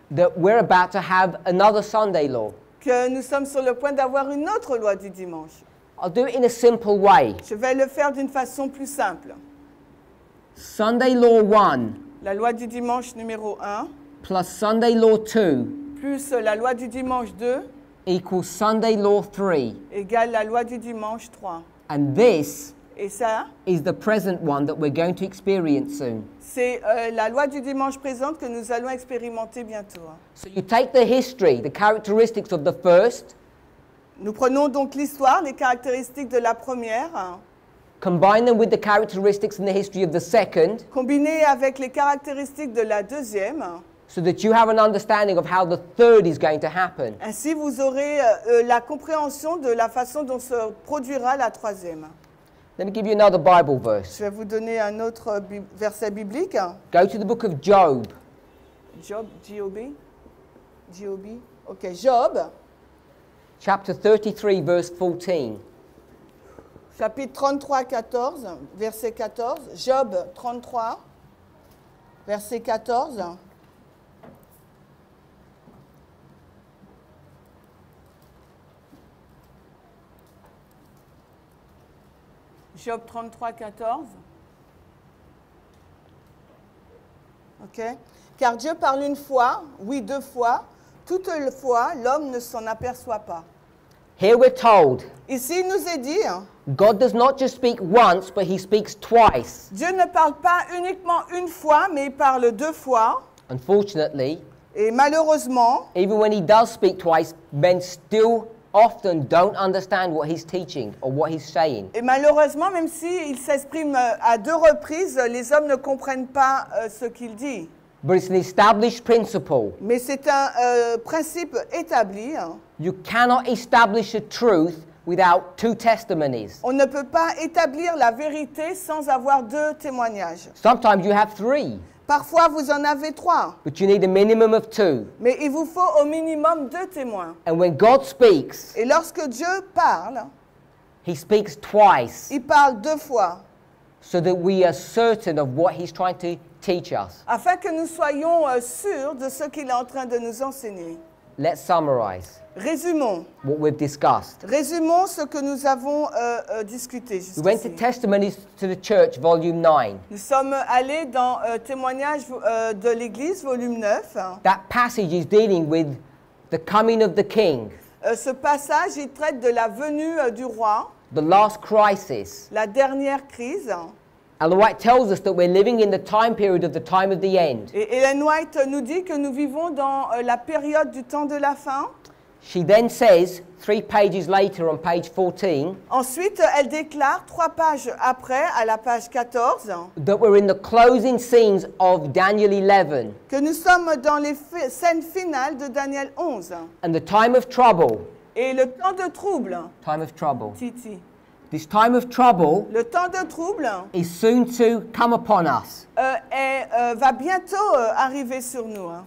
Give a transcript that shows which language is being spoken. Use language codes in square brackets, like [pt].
[en] That we're about to have another Sunday law. [fr] Que nous sommes sur le point d'avoir une autre loi du dimanche. [en] I'll do it in a simple way. [fr] Je vais le faire d'une façon plus simple. [en] Sunday law 1. [fr] La loi du dimanche numéro 1. [en] Plus Sunday law 2. [fr] Plus la loi du dimanche 2. [en] Equals Sunday law 3. [fr] Égale la loi du dimanche 3. [en] And this, [fr] et ça, [en] is the present one that we're going to experience soon. [fr] C'est la loi du dimanche présente que nous allons expérimenter bientôt. [en] So you take the history, the characteristics of the first. [fr] Nous prenons donc l'histoire, les caractéristiques de la première. [en] Combine them with the characteristics and the history of the second. [fr] Combiné avec les caractéristiques de la deuxième. [en] So that you have an understanding of how the third is going to happen. [fr] Ainsi, vous aurez la compréhension de la façon dont se produira la troisième. [en] Let me give you another Bible verse. [fr] Je vais vous donner un autre verset biblique. [en] Go to the book of Job. Job, J-O-B, J-O-B. Okay, Job. Chapter 33, verse 14. [fr] Chapitre 33, 14, verset 14. Job 33, verset 14. [en] Job 33, 14. Okay. [fr] Car Dieu parle une fois, oui deux fois, toutefois l'homme ne s'en aperçoit pas. [en] Here we're told. [fr] Ici il nous est dit. [en] God does not just speak once, but he speaks twice. [fr] Dieu ne parle pas uniquement une fois, mais il parle deux fois. [en] Unfortunately. [fr] Et malheureusement. [en] Even when he does speak twice, men still often don't understand what he's teaching or what he's saying. [fr] Et malheureusement, même si il s'exprime à deux reprises, les hommes ne comprennent pas ce qu'il dit. [en] But it's an established principle. [fr] Mais c'est un principe établi. [en] You cannot establish a truth without two testimonies. [fr] On ne peut pas établir la vérité sans avoir deux témoignages. [en] Sometimes you have three. [fr] Parfois, vous en avez trois. [en] But you need a minimum of two. [fr] Mais il vous faut au minimum deux témoins. [en] And when God speaks, [fr] et lorsque Dieu parle, [en] he speaks twice. [fr] Il parle deux fois. [en] So that we are certain of what he's trying to teach us. [fr] Afin que nous soyons sûrs de ce qu'il est en train de nous enseigner. [en] Let's summarize. [fr] Résumons. [en] What we've discussed. [fr] Résumons ce que nous avons discuté. [en] We went to Testimonies to the Church, Volume 9. [fr] Nous sommes allés dans Témoignages de l'Église, Volume 9. [en] That passage is dealing with the coming of the King. [fr] Ce passage il traite de la venue du roi. [en] The last crisis. [fr] La dernière crise. [en] Ellen White tells us that we're living in the time period of the time of the end. [fr] Et Ellen White nous dit que nous vivons dans la période du temps de la fin. [en] She then says, three pages later on page 14. [fr] Ensuite, elle déclare, trois pages après, à la page 14. [en] That we're in the closing scenes of Daniel 11. [fr] Que nous sommes dans les scènes finales de Daniel 11. [en] And the time of trouble. [fr] Et le temps de trouble. [en] Time of trouble. Titi. This time of trouble, [fr] le temps de trouble [en] is soon to come upon us. [fr] Va bientôt arriver sur nous. Hein.